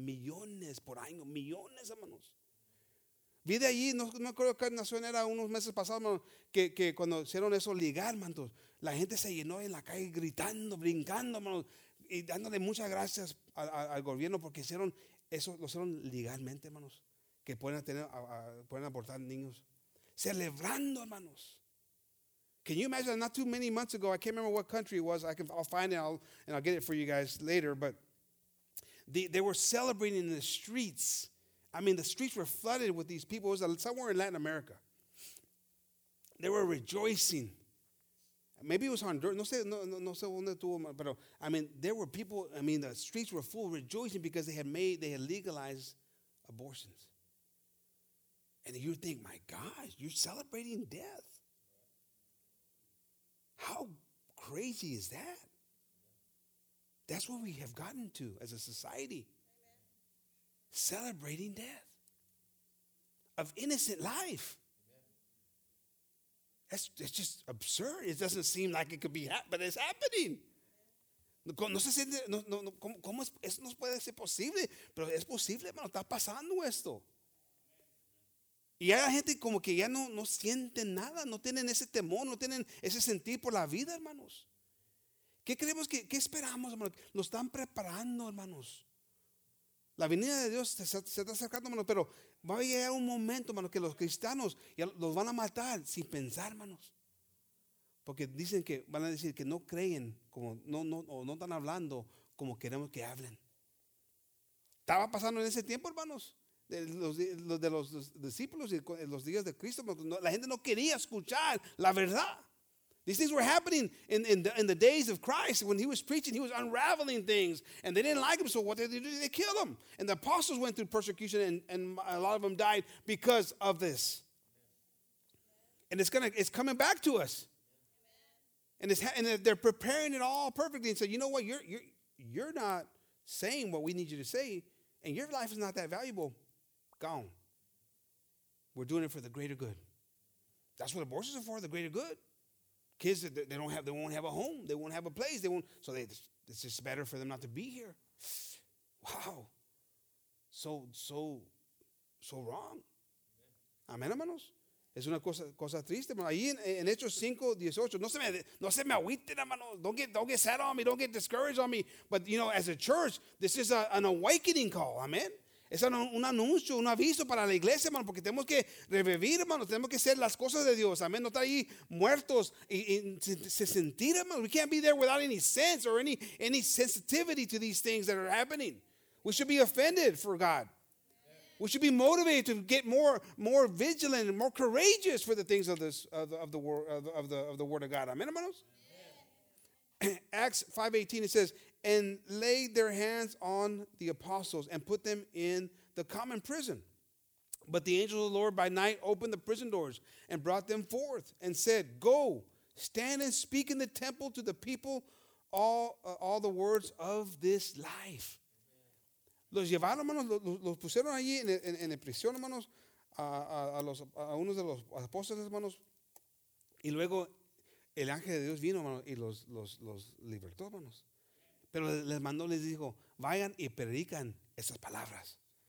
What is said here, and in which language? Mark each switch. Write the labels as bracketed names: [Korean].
[Spanish] Millones por año, millones, hermanos. Vi de allí, no me acuerdo qué nación era, unos meses pasados, hermanos, que cuando hicieron eso ligar, hermanos, la gente se llenó en la calle gritando, brincando, hermanos, y dándole muchas gracias al gobierno porque hicieron eso, lo hicieron legalmente, hermanos, que pueden abortar niños, celebrando, hermanos. [English] Can you imagine, not too many months ago, I can't remember what country it was, I'll get it for you guys later, but they were celebrating in the streets. I mean, the streets were flooded with these people. It was somewhere in Latin America. They were rejoicing. Maybe it was Honduras. [Spanish] No sé dónde estuvo, pero, [English] I mean, there were people, I mean, the streets were full rejoicing because they had legalized abortions. And you think, my gosh, you're celebrating death. How crazy is that? That's what we have gotten to as a society. Amen. Celebrating death of innocent life. That's just absurd. It doesn't seem like it could be happening, but it's happening. [Spanish] No se siente, ¿cómo eso no puede ser posible? Pero es posible, hermano, está pasando esto. Y hay gente como que ya no sienten nada, no tienen ese temor, no tienen ese sentir por la vida, hermanos. ¿Qué creemos que, qué esperamos, hermanos? Nos están preparando, hermanos. La venida de Dios se está acercando, hermanos, pero va a llegar un momento, hermanos, que los cristianos ya los van a matar sin pensar, hermanos. Porque dicen que van a decir que no creen, como no están hablando como queremos que hablen. Estaba pasando en ese tiempo, hermanos, de los discípulos y los días de Cristo. La gente no quería escuchar la verdad. [English] These things were happening in the days of Christ. When he was preaching, he was unraveling things. And they didn't like him, so what did they do? They killed him. And the apostles went through persecution, and a lot of them died because of this. And it's coming back to us. And they're preparing it all perfectly. And said, you know what? You're not saying what we need you to say, and your life is not that valuable. Gone. We're doing it for the greater good. That's what abortions are for, the greater good. Kids, they won't have a home. They won't have a place. It's just better for them not to be here. Wow. So wrong. [Spanish] Amén, hermanos. Es una cosa triste. Ahí en Hechos 5:18, no se me agüiten, hermanos. [English] Don't get sad on me. Don't get discouraged on me. But, you know, as a church, this is an awakening call. [Spanish] Amén. Es un anuncio, un aviso para la iglesia, hermano, porque tenemos que revivir, hermano, tenemos que ser las cosas de Dios, amén, no estar ahí muertos y se sentir, hermano. [English] We can't be there without any sense or any sensitivity to these things that are happening. We should be offended for God. We should be motivated to get more vigilant and more courageous for the things of this of the word of God. [Spanish] Amén, hermanos. [English] Acts 5:18, it says, and laid their hands on the apostles and put them in the common prison. But the angel of the Lord by night opened the prison doors and brought them forth and said, go, stand and speak in the temple to the people all the words of this life. [Spanish] Los llevaron, hermanos, los pusieron allí en prisión, hermanos, a unos de los apóstoles, hermanos. Y luego El ángel de Dios vino, hermano, y los libertó, hermanos. Pero les mandó, les dijo, vayan y predican esas palabras.